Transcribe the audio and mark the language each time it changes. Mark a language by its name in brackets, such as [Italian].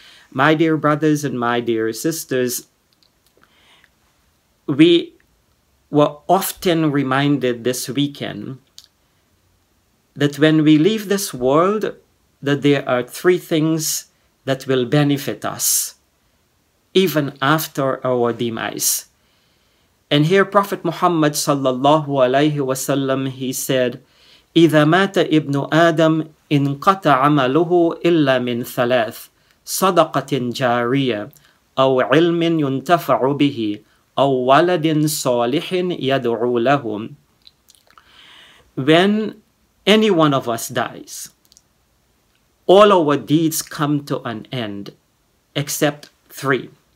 [English] My dear brothers and my dear sisters, we were often reminded this weekend that when we leave this world, that there are three things that will benefit us even after our demise. And here Prophet Muhammad sallallahu alayhi wasallam, he said, [Arabic] إِذَا مَاتَ إِبْنُ آدَمْ إِنْ قَتَ عَمَلُهُ إِلَّا مِنْ ثَلَاثٍ صَدَقَةٍ جَارِيَةٍ أَوْ عِلْمٍ يُنْتَفَعُ بِهِ أَوْ وَلَدٍ صَالِحٍ يَدْعُو لَهُمْ. [English] When any one of us dies, all our deeds come to an end except three.